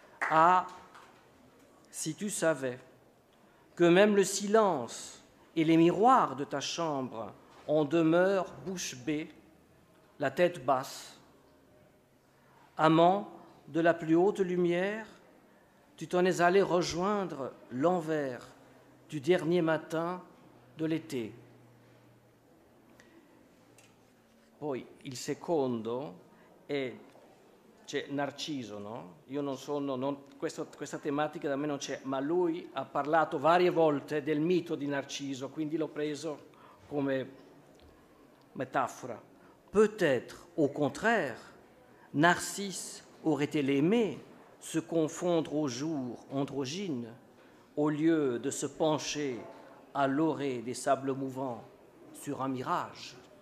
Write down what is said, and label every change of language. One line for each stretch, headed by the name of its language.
French: Ah, si tu savais que même le silence et les miroirs de ta chambre en demeurent bouche bée, la tête basse. Amant de la plus haute lumière, tu t'en es allé rejoindre l'envers du dernier matin de l'été.
Italian: Poi il secondo è, cioè, Narciso, no? Io non sono, non, questa tematica da me non c'è, ma lui ha parlato varie volte del mito di Narciso, quindi l'ho preso come metafora.
French: Peut-être, au contraire, Narcisse aurait-elle aimé se confondre au jour androgyne au lieu de se pencher à l'orée des sables mouvants sur un mirage.